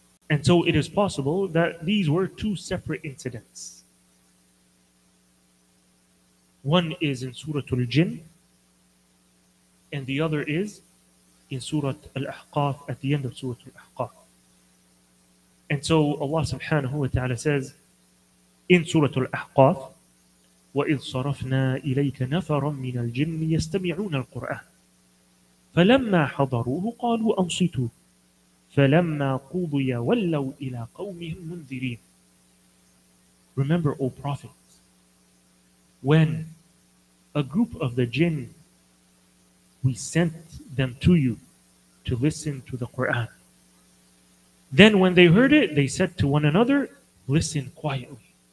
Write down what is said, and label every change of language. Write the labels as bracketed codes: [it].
[en] And so it is possible that these were two separate incidents. One is in Surah Al-Jinn, and the other is in Surah Al-Ahqaf, at the end of Surah Al-Ahqaf. And so Allah subhanahu wa ta'ala says in Surah Al-Ahqaf, [ar] وَإِذْ صَرَفْنَا إِلَيْكَ نَفَرًا مِنَ الْجِنِّ يَسْتَمِعُونَ الْقُرْآنِ فَلَمَّا حَضَرُوهُ قَالُوا أَنْصِتُوا فَلَمَّا قُضِيَ وَلَّوْا إِلَىٰ قَوْمِهِمْ مُنذِرِينَ. [en] Remember, O Prophet, when a group of the jinn, we sent them to you to listen to the Qur'an. Then when they heard it, they said to one another, listen quietly.